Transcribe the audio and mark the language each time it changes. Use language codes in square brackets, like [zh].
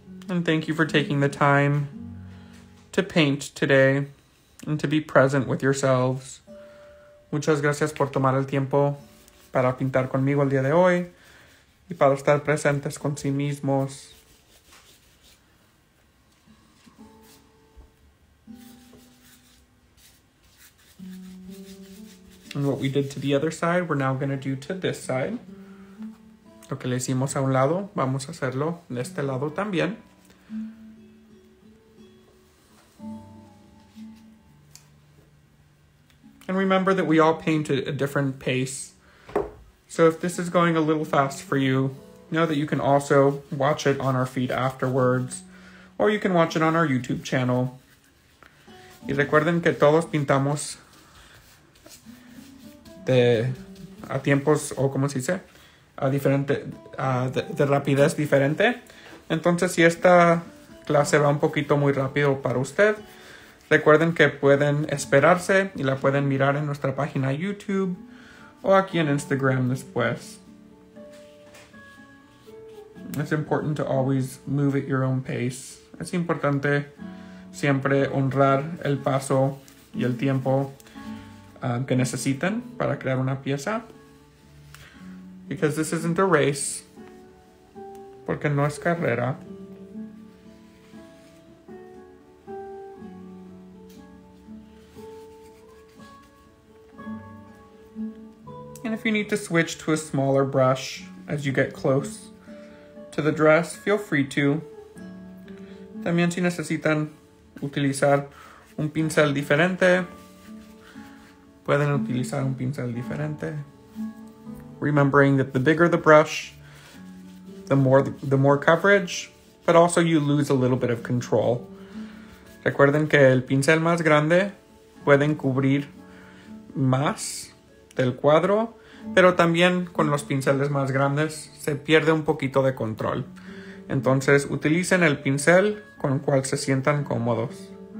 [en] And thank you for taking the time to paint today and to be present with yourselves. [es] Muchas gracias por tomar el tiempo para pintar conmigo el día de hoy y para estar presentes con sí mismos. [en] And what we did to the other side, we're now going to do to this side. [es] Lo que le hicimos a un lado, vamos a hacerlo de este lado también. [en] And remember that we all paint at a different pace. So if this is going a little fast for you, know that you can also watch it on our feed afterwards. Or you can watch it on our YouTube channel. [es] Y recuerden que todos pintamos de a tiempos, o como se dice, a diferente, de rapidez diferente. Entonces, si esta clase va un poquito muy rápido para usted, recuerden que pueden esperarse y la pueden mirar en nuestra página YouTube o aquí en Instagram después. [en] It's important to always move at your own pace. [es] Es importante siempre honrar el paso y el tiempo que necesitan para crear una pieza. [en] Because this isn't a race. [es] Porque no es carrera. [en] And if you need to switch to a smaller brush as you get close to the dress, feel free to. [es] También si necesitan utilizar un pincel diferente, pueden utilizar un pincel diferente. [en] Remembering that the bigger the brush, the more coverage, but also you lose a little bit of control. [es] Recuerden que el pincel más grande pueden cubrir más del cuadro, pero también con los pinceles más grandes se pierde un poquito de control. Entonces, utilicen el pincel con el cual se sientan cómodos.